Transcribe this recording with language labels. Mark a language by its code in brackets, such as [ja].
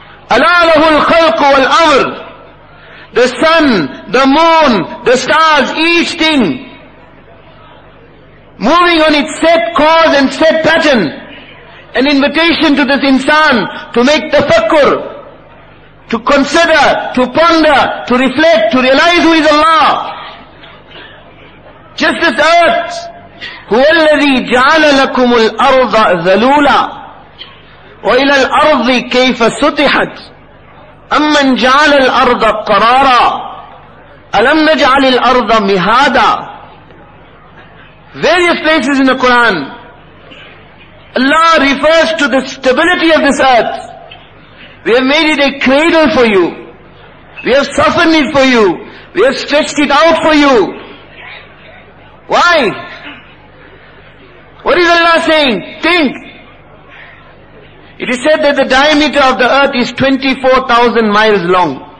[ar] Ala lahu al-khalq wal-amr. [en] The sun, the moon, the stars, each thing. Moving on its set cause and set pattern. An invitation to this insan to make tafakkur. To consider, to ponder, to reflect, to realize who is Allah. Just this earth. [ar] هُوَ الَّذِي جَعَلَ لَكُمُ الْأَرْضَ ذَلُولًا وَإِلَى الْأَرْضِ كَيْفَ سُطِحَتْ أَمَّنْ جَعَلَ الْأَرْضَ قَرَارًا أَلَمْ نَجْعَلِ الْأَرْضَ مِهَادًا [en] Various places in the Quran, Allah refers to the stability of this earth. We have made it a cradle for you. We have softened it for you. We have stretched it out for you. Why? What is Allah saying? Think. It is said that the diameter of the earth is 24,000 miles long.